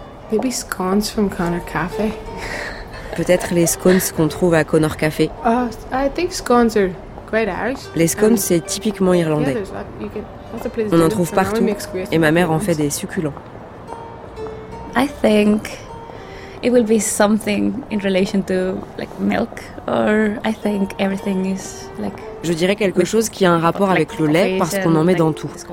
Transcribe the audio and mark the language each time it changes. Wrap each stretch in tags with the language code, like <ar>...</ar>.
<en>Maybe scones from Connor Cafe.</en> <fr>Peut-être les scones qu'on trouve à Connor Cafe.</fr> <en>I think scones are quite Irish.</en> <fr>Les scones, c'est typiquement irlandais. On en trouve partout, et ma mère en fait des succulents.</fr> <en>I think it will be something in relation to like milk, or I think everything is like.</en> <fr>Je dirais quelque chose qui a un rapport avec le lait parce qu'on en met dans tout.</fr>